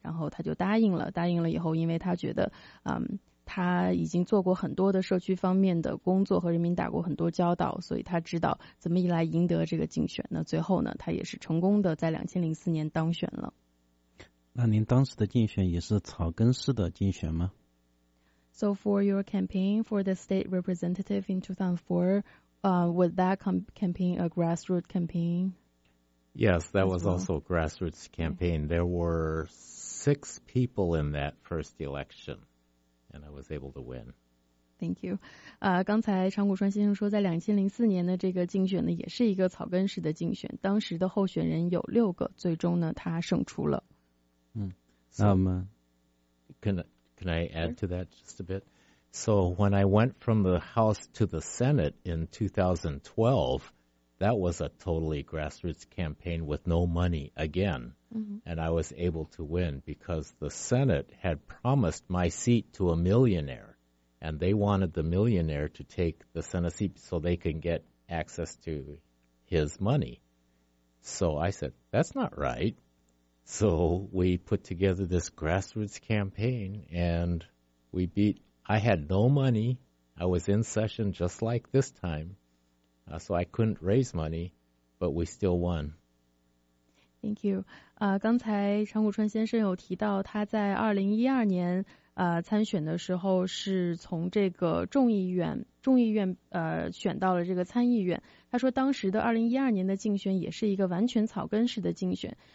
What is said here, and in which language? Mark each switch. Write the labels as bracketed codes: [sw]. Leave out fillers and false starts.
[zh] 然后他就答应了。答应了以后，因为他觉得，他已经做过很多的社区方面的工作，和人民打过很多交道，所以他知道怎么一来赢得这个竞选。那最后呢，他也是成功的在2004年当选了。那您当时的竞选也是草根式的竞选吗？ [en] So for your campaign for the state representative in 2004, was that campaign a grassroots campaign? Yes, that was also a grassroots campaign. Okay. There were 6 people in that first election, and I was able to win. Thank you. [zh] 刚才长谷川先生说，在2004年的这个竞选呢，也是一个草根式的竞选。当时的候选人有六个，最终呢，他胜出了。那么， [en] Can I add to that just a bit? So when I went from the House to the Senate in 2012, that was a totally grassroots campaign with no money again. Mm-hmm. And I was able to win because the Senate had promised my seat to a millionaire. And they wanted the millionaire to take the Senate seat so they can get access to his money. So I said, that's not right. So we put together this grassroots campaign, and we beat. I had no money. I was in session just like this time, so I couldn't raise money, but we still won. Thank you. [zh] 刚才长谷川先生有提到，他在2012年参选的时候是从这个众议院选到了这个参议院。他说当时的2012年的竞选也是一个完全草根式的竞选。